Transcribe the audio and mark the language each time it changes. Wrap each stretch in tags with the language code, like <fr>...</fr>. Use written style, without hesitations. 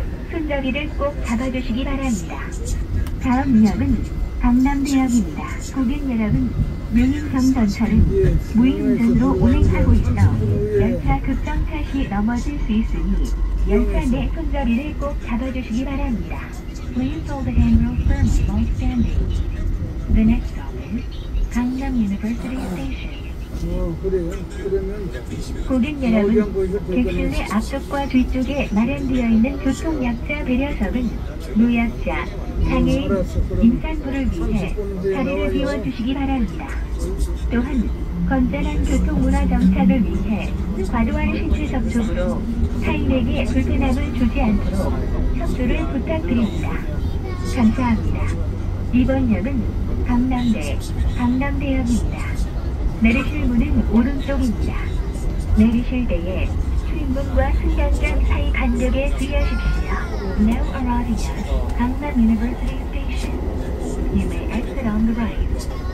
<ko>손잡이를 꼭 잡아주시기 바랍니다. 다음 역은 강남대역입니다. 고객 여러분, 윤인성 전철은 무인운전으로 운행하고 있어 열차 급정 차시 넘어질 수 있으니 열차 내 손잡이를 꼭 잡아주시기 바랍니다.</ko> <en>Please hold the handrail firmly while standing. The next stop is 강남 University Station.</en> <ko>고객 여러분, 객실의 앞쪽과 뒤쪽에 마련되어 있는 교통약자 배려석은 노약자, 장애인, 임산부를 위해 자리를 비워주시기 바랍니다. 또한 건전한 교통문화 정착을 위해 과도한 신체 접촉으로 타인에게 불편함을 주지 않도록 협조를 부탁드립니다. 감사합니다. 이번 역은 강남대역입니다. 내리실 문은 오른쪽입니다. 내리실 때에 출입문과 승강장 사이 간격에 주의하십시오.</ko> <en>Now arriving at Gangnam University Station. You may exit on the right.</en>